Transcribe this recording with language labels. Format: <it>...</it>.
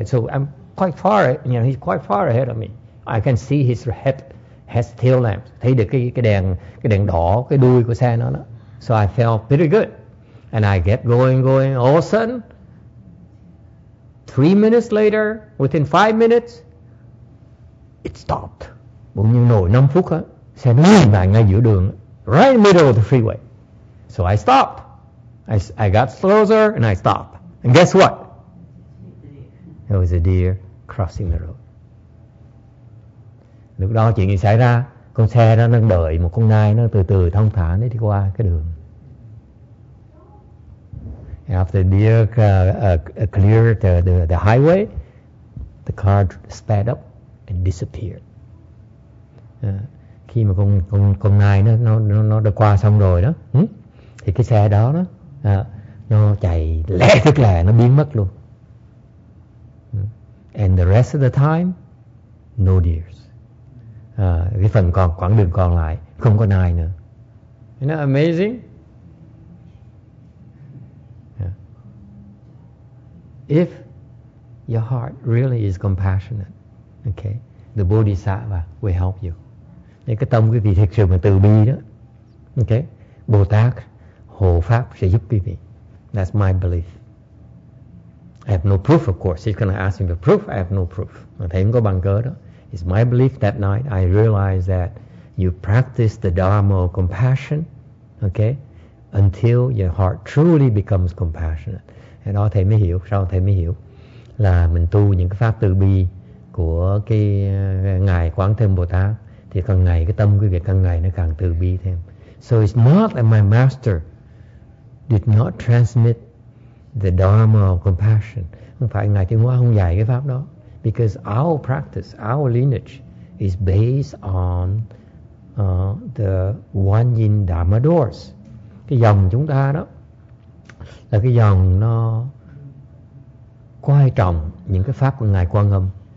<en>So I'm quite far, you know, he's quite far ahead of me. I can see his head has tail lamps.</en> <vi>Thấy được cái đèn đỏ, cái đuôi của xe nó.</vi> <en>So I felt pretty good. And I kept going. All of a sudden, 3 minutes later, within 5 minutes, it stopped.</en> <vi>bỗng nhiên nổ 5 phút á, xe nó dừng lại ngay giữa đường,</vi> <en>right in the middle of the freeway. So I stopped. I got closer and I stopped. And guess what? There was a deer crossing the road.</en> <vi>Lúc đó chuyện gì xảy ra? Con xe đó đang đợi một con nai, nó từ từ thong thả nó đi qua cái đường.</vi> <en>After the deer cleared the highway, the car sped up and disappeared.</en> <vi>Khi mà con nai nó đã qua xong rồi đó, thì cái xe đó đó nó chạy lẹ tức là nó biến mất luôn.</vi> <en>And the rest of the time, no deers.</en> <vi>Cái phần còn quãng đường còn lại không có nai nữa.</vi> <en>Isn't that amazing? If your heart really is compassionate, okay, the Bodhisattva will help you.</en> <vi>Nếu cái tâm quý vị thực sự mà từ bi đó, okay, Bồ Tát hộ pháp sẽ giúp quý vị.</vi> <en>That's my belief. I have no proof, of course. He's going to ask me for proof. I have no proof.</en> <vi>Mà thấy không có bằng cớ đó.</vi> <en>It's my belief that night I realized that you practice the Dharma of compassion, okay, until your heart truly becomes compassionate.</en> <vi>Cái đó thầy mới hiểu, sau thầy mới hiểu là mình tu những cái pháp từ bi của cái ngài Quán Thế Âm Bồ Tát thì càng ngày cái tâm quý vị càng ngày nó càng từ bi thêm.</vi> <en>So it's not that my master did not transmit the Dharma of compassion.</en> <vi>Không phải ngài Thiên Hóa không dạy cái pháp đó.</vi> <en>Because our practice, our lineage is based on the one yin dharma doors.</en> <vi>Cái dòng chúng ta đó là cái dòng nó quan trọng những cái pháp của ngài Quan Âm.</vi>